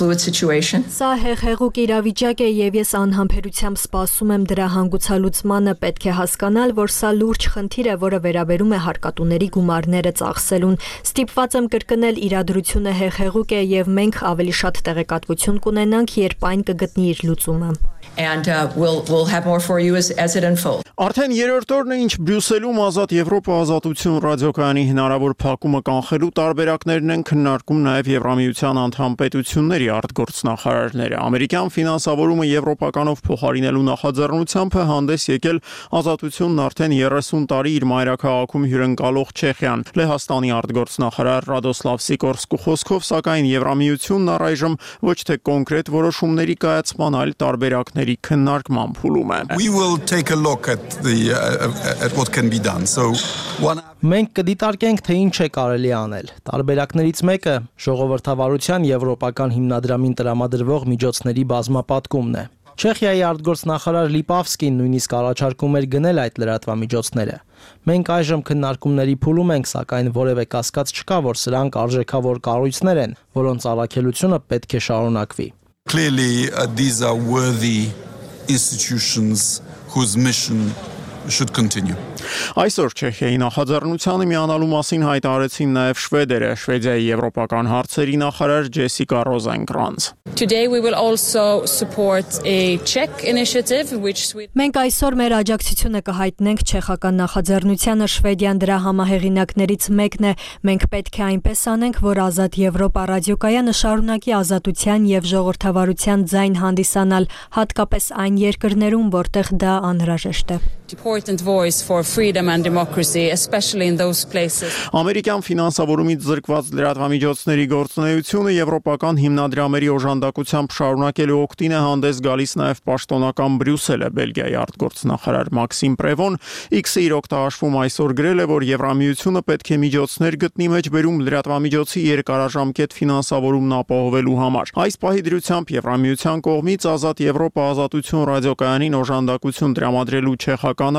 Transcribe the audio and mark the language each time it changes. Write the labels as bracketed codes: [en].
[hy] Սա հեղ-հեղուկ իրավիճակ է եւ ես անհամբերությամբ սպասում եմ դրա հանգուցալուծմանը պետք է հասկանալ որ սա լուրջ խնդիր է որը վերաբերում է հարկատուների գումարները ծախսելուն ստիպված եմ կրկնել իրադրությունը հեղ-հեղուկ է եւ մենք ավելի շատ տեղեկատվություն կունենանք երբ այն կգտնի իր լուծումը [en] And we'll have more for you as it unfolds. [hy] Արդեն երրորդ օրն է, ինչ Բրյուսելում Ազատ Եվրոպա Ազատություն ռադիոկայանի հնարավոր փակումը կանխելու տարբերակներն են քննարկում նաև Եվրամիության անդամ պետությունների արտգործնախարարները։ Ամերիկյան ֆինանսավորումը եվրոպականով փոխարինելու նախաձեռնությամբը հանդես եկել Ազատությունն արդեն 30 տարի իր մայրաքաղաքում հյուրընկալող Չեխիան։ Լեհաստանի արտգործնախարար Ռադոսլավ Սիկորսկու խոսքով, սակայն Եվրամիությունն առայժմ ոչ թե կոնկրետ որոշումների կայացման, այլ տարբեր ակների քննարկման փուլում է [en] We will take a look at what can be done. So one [hy] Մենք կդիտարկենք, թե ինչ է կարելի անել։ Տարբերակներից մեկը ժողովրդավարության եվրոպական հիմնադրամին տրամադրվող միջոցների բազմապատկումն է։ Չեխիայի արտգործնախարար Լիպավսկին նույնիսկ առաջարկում էր գնել այդ լրատվամիջոցները։ Մենք այժմ քննարկումների փուլում ենք, սակայն որևէ կասկած չկա, որ սրանք արժեքավոր կառույցներ են, որոնց առաքելությունը պետք է շարունակվի։ [en] Clearly these are worthy institutions whose mission should continue. [hy] Այսօր Չեխիայի նախաձեռնությանը միանալու մասին հայտարարեցին նաև Շվեդերը, Շվեդիայի եվրոպական հարցերի նախարար Ջեսիկա Ռոզենկրանց. [en] Today we will also support a Czech initiative which [hy] Մենք այսօր մեր աջակցությունը կհայտնենք Չեխական նախաձեռնությանը, Շվեդիան դրա համահեղինակներից մեկն է։ Մենք պետք է այնպես անենք, որ Ազատ Եվրոպա ռադիոկայանը շարունակի ազատության եւ ժողովրդավարության ձայն հանդիսանալ, հատկապես այն երկրներում, որտեղ դա անհրաժեշտ է։ [en] Important voice for freedom and democracy especially in those places [hy] Ամերիկյան ֆինանսավորումից զրկված լրատվամիջոցների գործունեությունը եվրոպական հիմնադրամերի օժանդակությամբ շարունակելու օկտին է հանդես գալիս նաև պաշտոնական Բրյուսելը Բելգիայի արտգործնախարար Մաքսիմ Պրևոն X-ի իր օկտահաշվում այսօր գրել է որ Եվրամիությունը պետք է միջոցներ գտնի մեջբերում լրատվամիջոցի երկարաժամկետ ֆինանսավորումն ապահովելու համար այս պահի դրությամբ Եվրամիության կողմից Ազատ Եվրոպա Ազատություն ռադիոկայանին օժանդակություն դրամադրելու չեխական